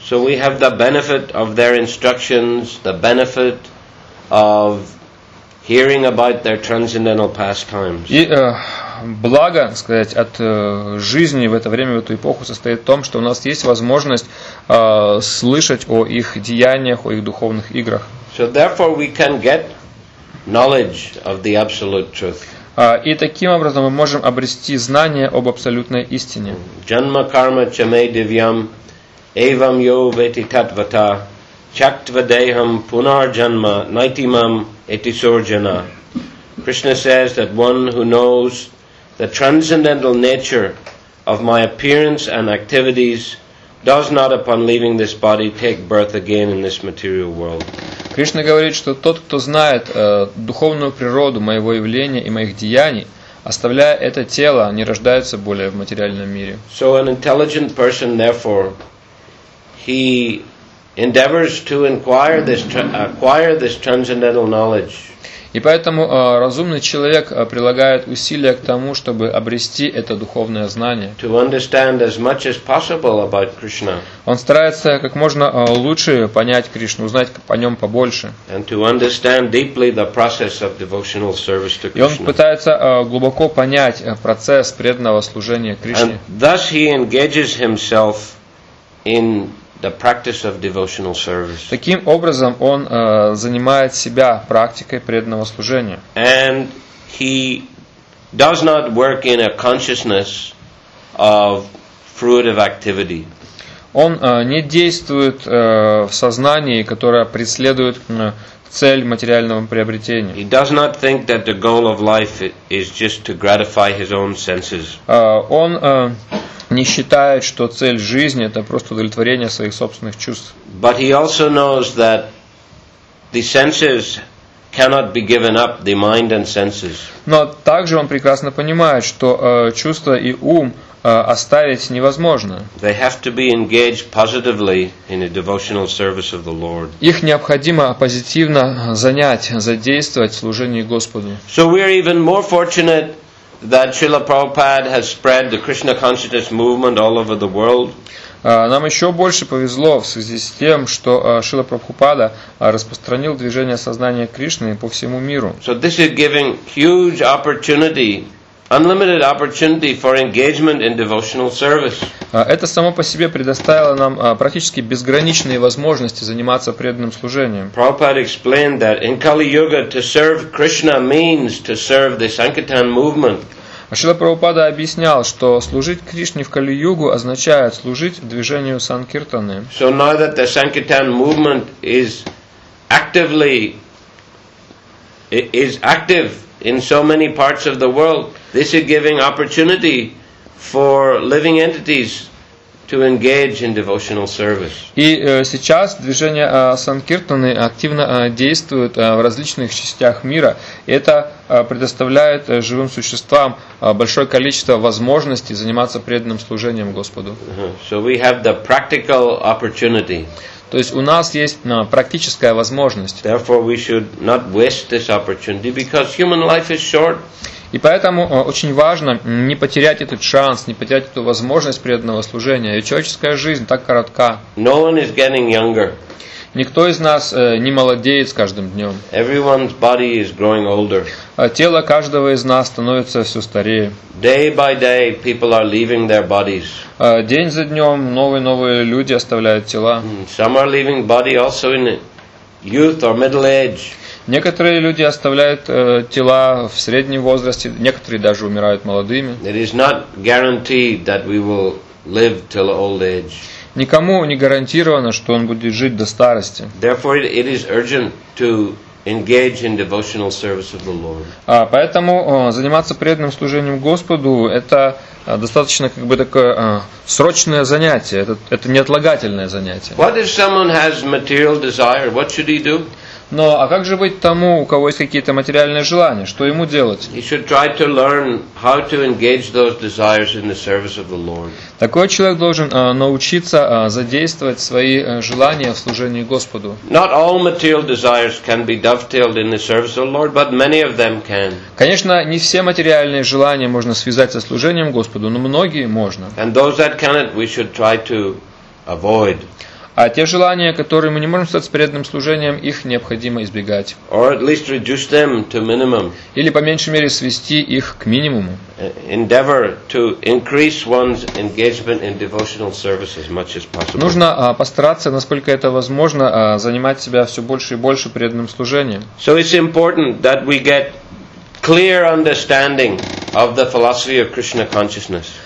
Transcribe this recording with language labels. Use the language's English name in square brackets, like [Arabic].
[English] So we have the benefit of their instructions, the benefit of hearing about their transcendental pastimes. [Russian] И благо, так сказать, от жизни в это время, в эту эпоху состоит в том, что у нас есть возможность слышать о их деяниях, о их духовных играх. [English] So therefore we can get knowledge of the absolute truth. [Russian] И таким образом мы можем обрести знание об абсолютной истине. [Sanskrit] Janma karma chame divyam evam yo veti tatvata chaktva deham punar janma naitimam etisurjana. [English] Krishna says that one who knows the transcendental nature of my appearance and activities does not, upon leaving this body, take birth again in this material world. [Russian] Кришна говорит, что тот, кто знает духовную природу моего явления и моих деяний, оставляя это тело, не рождается более в материальном мире. [English] So an intelligent person, therefore, he endeavors to acquire this transcendental knowledge. [Russian] И поэтому разумный человек прилагает усилия к тому, чтобы обрести это духовное знание. [English] To understand as much as possible about Krishna. [Russian] Он старается как можно лучше понять Кришну, узнать о нем побольше. [English] And to understand deeply the process of devotional service to Krishna. [Russian] И он пытается глубоко понять процесс преданного служения Кришне. [English] And thus he engages himself in the practice of devotional service. [Russian] Таким образом он занимает себя практикой преданного служения. [English] And he does not work in a consciousness of fruitive activity. [Russian] Он не действует в сознании, которое преследует цель материального приобретения. [English] He does not think that the goal of life is just to gratify his own senses. [Russian] Он не считает, что цель жизни это просто удовлетворение своих собственных чувств. [English] But he also knows that the senses cannot be given up, the mind and senses. [Russian] Но также он прекрасно понимает, что чувства и ум оставить невозможно. [English] They have to be engaged positively in a devotional service of the Lord. [Russian] Их необходимо позитивно занять, задействовать в служении Господу. [English] So we are even more fortunate that Srila Prabhupada has spread the Krishna consciousness movement all over the world. [Russian] Нам еще больше повезло в связи с тем, что Шрила Прабхупада распространил движение сознания Кришны по всему миру. [English] So this is giving huge opportunity, unlimited opportunity for engagement in devotional service. [Russian] Это само по себе предоставило нам практически безграничные возможности заниматься преданным служением. [English] Prabhupada explained that in Kali Yuga to serve Krishna means to serve the Sankirtan movement. [Russian] Шрила Прабхупада объяснял, что служить Кришне в Кали-югу означает служить движению Санкиртаны. [English] So now that the Sankirtan movement is active in so many parts of the world, this is giving opportunity for living entities to engage in devotional service. [Russian] И сейчас движение Санкиртаны активно действует в различных частях мира. Это предоставляет живым существам большое количество возможностей заниматься преданным служением Господу. [English] So we have the practical opportunity. [Russian] То есть у нас есть практическая возможность. [English] Therefore we should not waste this opportunity because human life is short. [Russian] И поэтому очень важно не потерять этот шанс, не потерять эту возможность преданного служения. И человеческая жизнь так коротка. [English] No one is getting younger. [Russian] Никто из нас не молодеет с каждым днем. [English] Everyone's body is growing older. [Russian] Тело каждого из нас становится все старее. [English] Day by day people are leaving their bodies. [Russian] День за днем новые люди оставляют тела. [English] Some are leaving body also in youth or middle age. [Russian] Некоторые люди оставляют тела в среднем возрасте, некоторые даже умирают молодыми. [English] It is not guaranteed that we will live till old age. [Russian] Никому не гарантировано, что он будет жить до старости. [English] Therefore, it is urgent to engage in devotional service of the Lord. [Russian] Поэтому заниматься преданным служением Господу – это достаточно такое срочное занятие, это неотлагательное занятие. [English] What if someone has material desire? What should he do? [Russian] Но а как же быть тому, у кого есть какие-то материальные желания? Что ему делать? Такой человек должен научиться задействовать свои желания в служении Господу. [English] Not all material desires can be dovetailed in the service of the Lord, but many of them can. [Russian] Конечно, не все материальные желания можно связать со служением Господу, но многие можно. [English] And those that cannot, we should try to avoid. [Russian] А те желания, которые мы не можем стать преданным служением, их необходимо избегать. [English] Or at least reduce them to minimum. [Russian] Или по меньшей мере свести их к минимуму. [English] Endeavor to increase one's engagement in devotional service as much as possible. [Russian] Нужно постараться, насколько это возможно, занимать себя все больше и больше преданным служением. [English] So it's important that we get clear understanding of the philosophy of Krishna consciousness.